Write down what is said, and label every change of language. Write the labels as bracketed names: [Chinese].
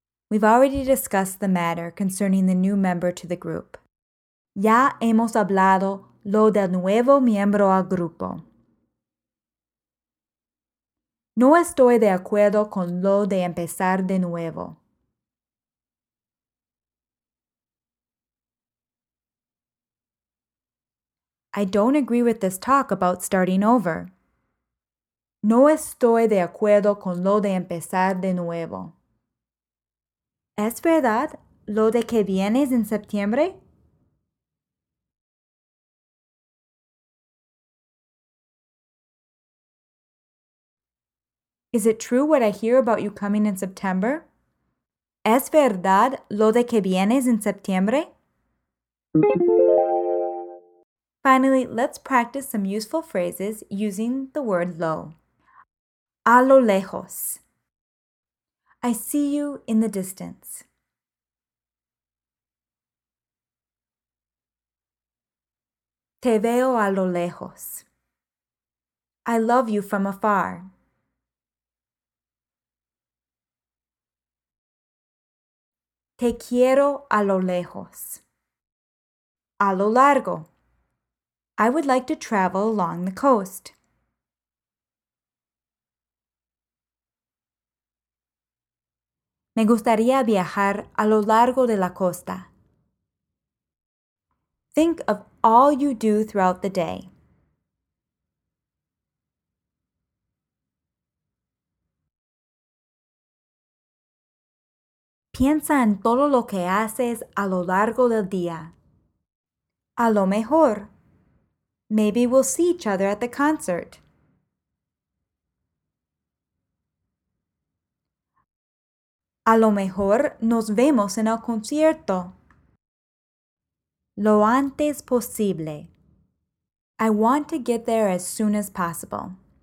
[English] We've already discussed the matter concerning the new member to the group. [Spanish] Ya hemos hablado lo del nuevo miembro al grupo. No estoy de acuerdo con lo de empezar de nuevo. [English] I don't agree with this talk about starting over. [Spanish] No estoy de acuerdo con lo de empezar de nuevo. ¿Es verdad lo de que vienes en septiembre? [English] Is it true what I hear about you coming in September? [Spanish] ¿Es verdad lo de que vienes en septiembre? [English] Finally, let's practice some useful phrases using the word lo. [Spanish] A lo lejos. [English] I see you in the distance. [Spanish] Te veo a lo lejos. [English] I love you from afar. [Spanish] Te quiero a lo lejos. A lo largo. [English] I would like to travel along the coast. [Spanish] Me gustaría viajar a lo largo de la costa. [English] Think of all you do throughout the day. [Spanish] Piensa en todo lo que haces a lo largo del día. A lo mejor. [English] Maybe we'll see each other at the concert. [Spanish] A lo mejor nos vemos en el concierto. Lo antes posible. [English] I want to get there as soon as possible.